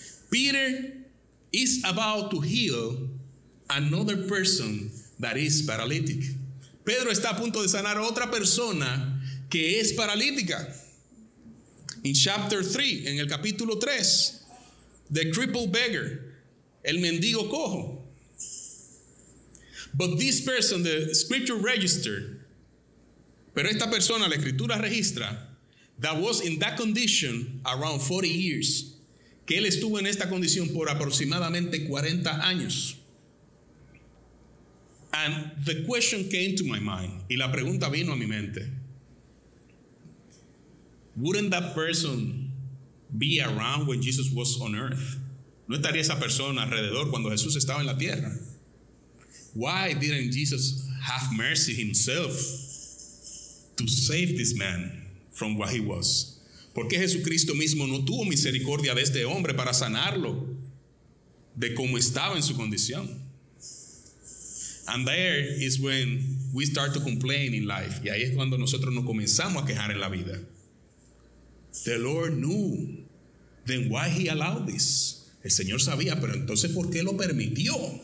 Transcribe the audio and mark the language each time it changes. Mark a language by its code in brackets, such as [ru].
[en] Peter is about to heal another person that is paralytic. [es] Pedro está a punto de sanar a otra persona que es paralítica. [en] In chapter 3, [es] en el capítulo 3, [en] the crippled beggar, [es] el mendigo cojo. [en] But this person, the scripture registered, [es] pero esta persona, la escritura registra, [en] that was in that condition around 40 years, [es] que él estuvo en esta condición por aproximadamente 40 años. [en] And the question came to my mind, [es] y la pregunta vino a mi mente. [en] Wouldn't that person be around when Jesus was on earth? [es] ¿No estaría esa persona alrededor cuando Jesús estaba en la tierra? [en] Why didn't Jesus have mercy himself to save this man from what he was? [es] ¿Por qué Jesucristo mismo no tuvo misericordia de este hombre para sanarlo de cómo estaba en su condición? [en] And there is when we start to complain in life. [es] Y ahí es cuando nosotros nos comenzamos a quejar en la vida. [en] The Lord knew, then why he allowed this? [es] El Señor sabía, pero entonces ¿por qué lo permitió?